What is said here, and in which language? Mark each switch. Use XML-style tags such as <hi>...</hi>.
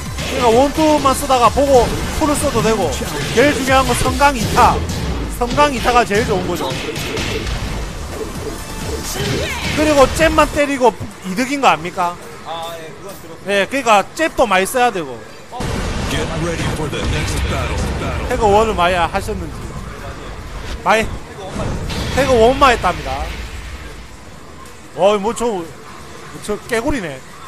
<ko>그러니까 원투만 쓰다가 보고 투를 써도 되고, 제일 중요한 건 성강 2타. 성강 2타가 제일 좋은 거죠. 그리고 잽만 때리고 이득인 거 압니까? 아, 예, 그건 들었어요. 예, 그러니까 잽도 많이 써야 되고.</ko> <en>Get ready for the next battle.</en> <ko>태그 원을 많이 하셨는지. 많이. 태그 원만 했답니다. 어이, 저 깨구리네.</ko>